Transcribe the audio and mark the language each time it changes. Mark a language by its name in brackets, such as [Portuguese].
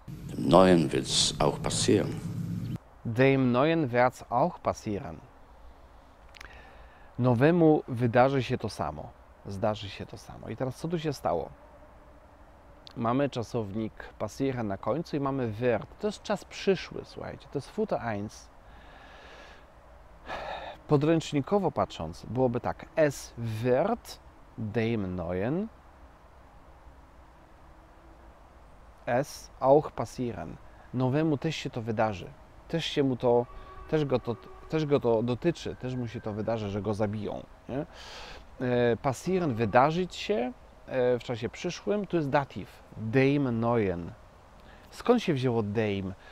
[German] Dem Neuen wird's auch passieren. Dem Neuen wird's auch passieren. [Polish] nowemu wydarzy się to samo. Zdarzy się to samo. I teraz co tu się stało? Mamy czasownik passieren na końcu i mamy wird. To jest czas przyszły, słuchajcie. To jest Futur 1. Podręcznikowo patrząc, byłoby tak. [German] Es wird dem neuen es auch passieren. [Polish] Nowemu też się to wydarzy. Też się mu to, też go to dotyczy. Też mu się to wydarzy, że go zabiją. Nie? Passieren, wydarzyć się w czasie przyszłym, to jest datyw. [German] Dem neuen. [Polish] Skąd się wzięło dem?